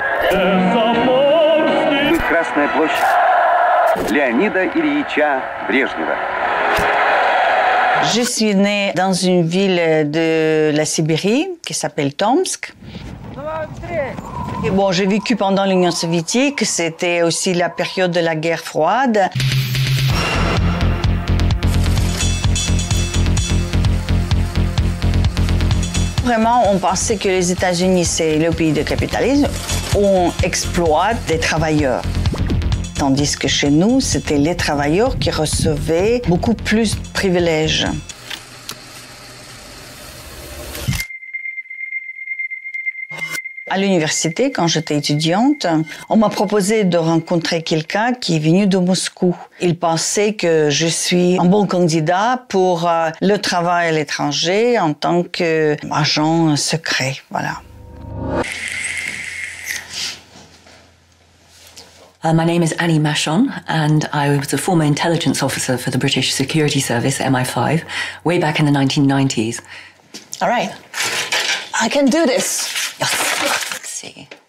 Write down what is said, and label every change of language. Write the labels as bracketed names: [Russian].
[Russian] Красная площадь Леонида Ильича Брежнева. [French] Je suis née dans une ville de la Sibérie qui s'appelle Tomsk. Et bon, j'ai vécu pendant l'Union soviétique, c'était aussi la période de la guerre froide. Vraiment, on pensait que les États-Unis, c'est le pays du capitalisme, où on exploite des travailleurs. Tandis que chez nous, c'était les travailleurs qui recevaient beaucoup plus de privilèges. À l'université, quand j'étais étudiante, on m'a proposé de rencontrer quelqu'un qui est venu de Moscou. Il pensait que je suis un bon candidat pour le travail à l'étranger en tant qu'agent secret. Voilà. [English] My name is Annie Machon, and I was a former intelligence officer for the British Security Service, MI5, way back in the 1990s. All right. I can do this. Yes. Let's see.